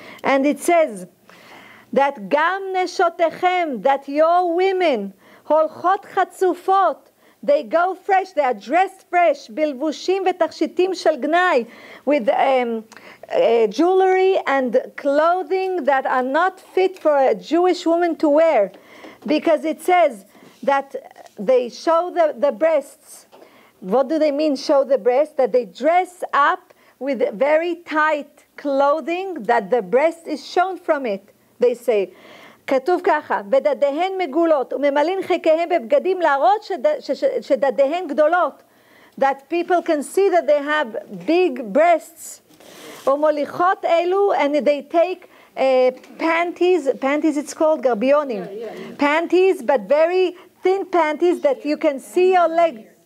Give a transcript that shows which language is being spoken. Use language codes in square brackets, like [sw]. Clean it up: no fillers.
[en] And it says that [he] gam neshotechem, [en] that your women, [he] holchot chatzufot, [en] they go fresh, they are dressed fresh, [he] bilvushim v'tachshitim shel gnai, [en] with jewelry and clothing that are not fit for a Jewish woman to wear, because it says that they show the breasts. What do they mean, show the breast? That they dress up with very tight clothing, that the breast is shown from it, they say. [he] כתוב ככה, ודדיהן מגולות וממלין חיקיהן בבגדים להראות שדדיהן גדולות. [en] That people can see that they have big breasts. [he] ומוליכות אלו, [en] and they take panties it's called, גרביונים. Panties, but very thin panties that you can see your leg.